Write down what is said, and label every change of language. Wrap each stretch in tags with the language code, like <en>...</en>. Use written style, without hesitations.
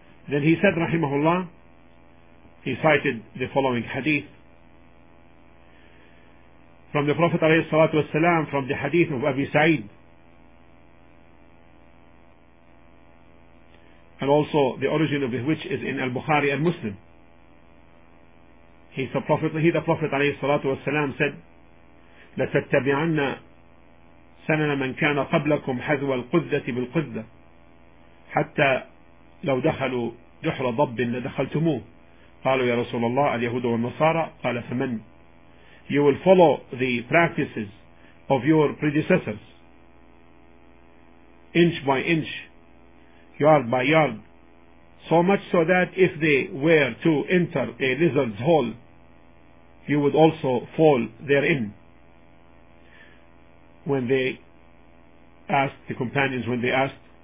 <en>Then he said, rahimahullah, he cited the following hadith from the Prophet alayhi salatu wasalam, from the hadith of Abi Sa'id, and also the origin of which is in Al-Bukhari and Muslim. The Prophet alayhi salatu wasalam said,</en> <ar>لتتبعن سنن من كان قبلكم حذو القذة بالقذة حتى لو دخلوا جحر ضب لدخلتموه قالوا يا رسول الله اليهود والنصارى قال فمن</ar> <en>You will follow the practices of your predecessors inch by inch yard by yard so much so that if they were to enter a lizard's hole you would also fall therein when they asked the companions when they asked</en>